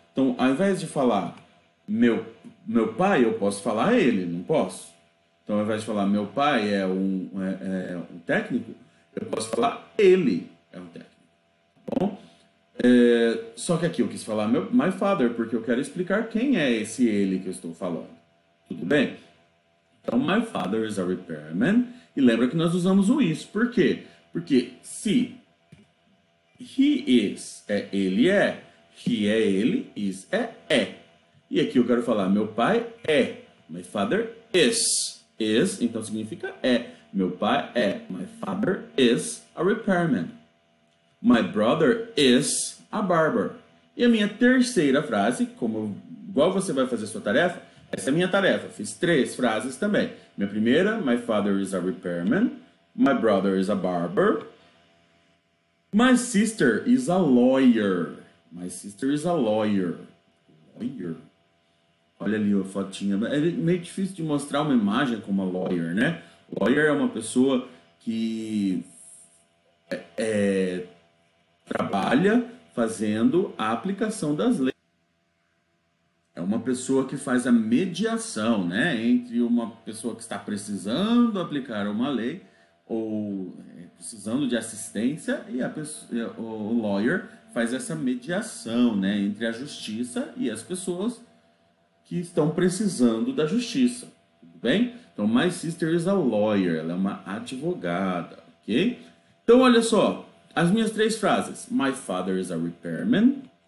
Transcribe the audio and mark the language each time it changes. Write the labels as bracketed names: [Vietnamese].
[Portuguese] Então, ao invés de falar meu pai, eu posso falar ele, não posso? Então, ao invés de falar meu pai é um técnico, eu posso falar ele é um técnico. Só que aqui eu quis falar [English] my father, [Portuguese] porque eu quero explicar quem é esse ele que eu estou falando. Tudo bem? Então, [English] my father is a repairman. [Portuguese] E lembra que nós usamos o is. Por quê? Porque se he é ele, is é. E aqui eu quero falar, meu pai é, [English] my father is. [Portuguese] Is, então significa é. Meu pai é, [English] my father is a repairman. My brother is a barber. [Portuguese] E a minha terceira frase, como igual você vai fazer a sua tarefa, essa é a minha tarefa. Fiz três frases também. Minha primeira, [English] my father is a repairman. My brother is a barber. My sister is a lawyer. My sister is a lawyer. Lawyer. [Portuguese] Olha ali a fotinha. É meio difícil de mostrar uma imagem como uma lawyer, né? Lawyer é uma pessoa que trabalha fazendo a aplicação das leis. É uma pessoa que faz a mediação, né, entre uma pessoa que está precisando aplicar uma lei ou precisando de assistência e a pessoa, o lawyer faz essa mediação, né, entre a justiça e as pessoas que estão precisando da justiça. Tudo bem? Então, [English] my sister is a lawyer. [Portuguese] Ela é uma advogada, ok? Então, olha só. As minhas três frases. [English] My father is a repairman.